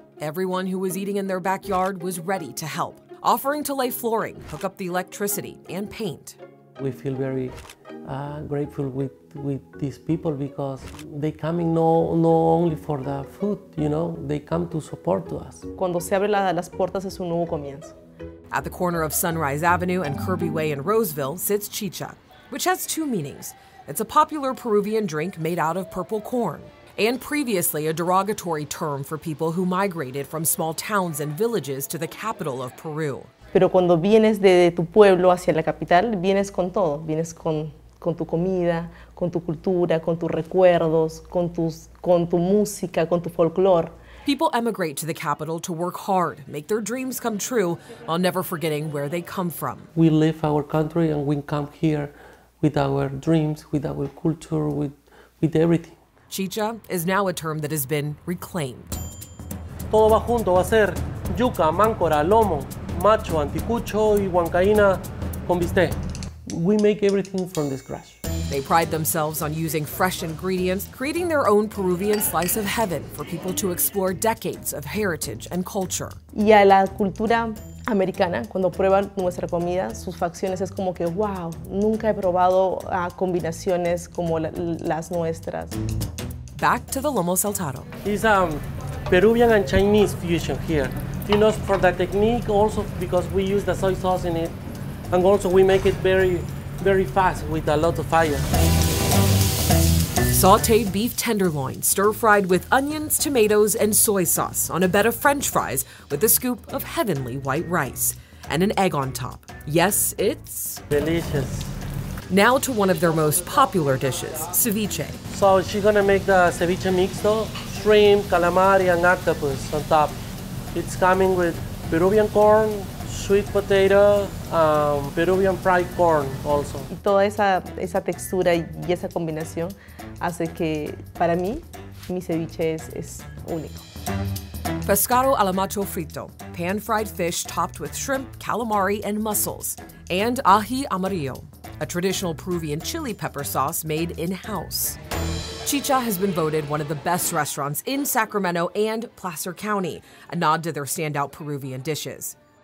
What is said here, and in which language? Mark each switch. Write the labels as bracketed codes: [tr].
[en] Everyone who was eating in their backyard was ready to help, offering to lay flooring, hook up the electricity, and paint. We feel very grateful with these people because they come in not only for the food, you know, they come to support to us. [es] Cuando se abre las puertas es un nuevo comienzo. [en] At the corner of Sunrise Avenue and Kirby Way in Roseville sits Chicha, which has two meanings. It's a popular Peruvian drink made out of purple corn, and previously a derogatory term for people who migrated from small towns and villages to the capital of Peru. [es] Pero cuando vienes de tu pueblo hacia la capital, vienes con todo. Vienes con tu comida, con tu cultura, con tus recuerdos, con tu música, con tu folclore. [en] People emigrate to the capital to work hard, make their dreams come true, while never forgetting where they come from. We leave our country and we come here with our dreams, with our culture, with everything. Chicha is now a term that has been reclaimed. [es] Todo va junto, va a ser yuca, máncora, lomo, macho, anticucho y huancaína con bistec. [en] We make everything from scratch. They pride themselves on using fresh ingredients, creating their own Peruvian slice of heaven for people to explore decades of heritage and culture. [es] Y a la cultura americana, cuando prueban nuestra comida, sus facciones es como que, wow, nunca he probado combinaciones como las nuestras. [en] Back to the lomo saltado. It's a Peruvian and Chinese fusion here. You know, for the technique also because we use the soy sauce in it, and also we make it very, very fast with a lot of fire. Sauteed beef tenderloin, stir-fried with onions, tomatoes, and soy sauce on a bed of French fries with a scoop of heavenly white rice and an egg on top. Yes, it's delicious. Now to one of their most popular dishes, ceviche. So she's gonna make the ceviche mixto, shrimp, calamari, and octopus on top. It's coming with Peruvian corn, sweet potato, Peruvian fried corn also. [es] Y toda esa textura y esa combinación hace que, para mí, mi ceviche es único. [en] Pescado a la macho frito, pan-fried fish topped with shrimp, calamari, and mussels, and ají amarillo, a traditional Peruvian chili pepper sauce made in-house. Chicha has been voted one of the best restaurants in Sacramento and Placer County, a nod to their standout Peruvian dishes.